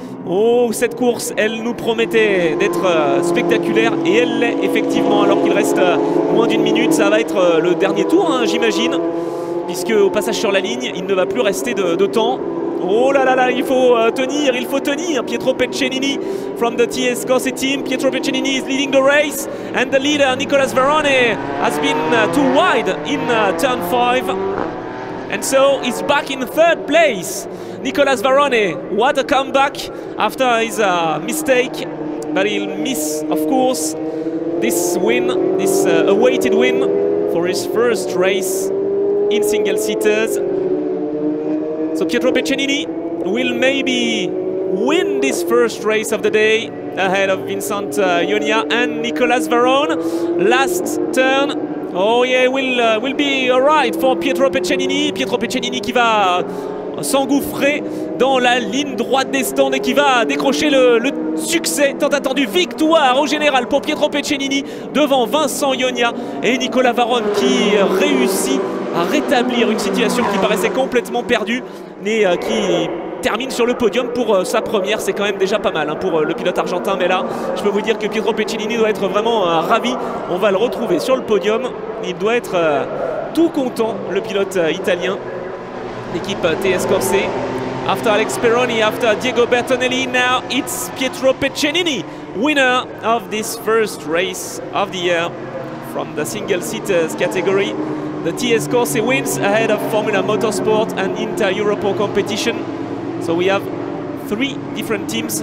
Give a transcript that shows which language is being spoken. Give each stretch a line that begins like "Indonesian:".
French: Oh, cette course, elle nous promettait d'être spectaculaire. Et elle l'est effectivement, alors qu'il reste moins d'une minute. Ça va être le dernier tour, hein, j'imagine. Puisque au passage sur la ligne, il ne va plus rester de temps. Oh là là là, il faut tenir, il faut tenir.
English: Pietro Pecenini from the TS Corse team. Pietro Pecenini is leading the race. And the leader, Nicolas Varone, has been too wide in turn 5. And so he's back in third place. Nicolas Varone, what a comeback after his mistake. But he'll miss, of course, this win, this awaited win for his first race in single seaters. So Pietro Pecenini will maybe win this first race of the day ahead of Vincent Ionia and Nicolas Varone. Last turn. Oh yeah, will be alright for Pietro Pecenini.
French: Pietro Pecenini qui va s'engouffrer dans la ligne droite des stands et qui va décrocher le succès tant attendu. Victoire au général pour Pietro Pecenini devant Vincent Ionia et Nicolas Varone qui réussit à rétablir une situation qui paraissait complètement perdue, mais qui termine sur le podium pour sa première. C'est quand même déjà pas mal pour le pilote argentin, mais là je peux vous dire que Pietro Pecenini doit être vraiment ravi. On va le retrouver sur le podium, il doit être tout content, le pilote italien, l'équipe TS Corse.
English: After Alex Pironi, after Diego Bertonelli, now it's Pietro Pecenini, winner of this first race of the year from the single seaters category. The TS Corse wins ahead of Formula Motorsport and Inter-Europol competition. So we have three different teams.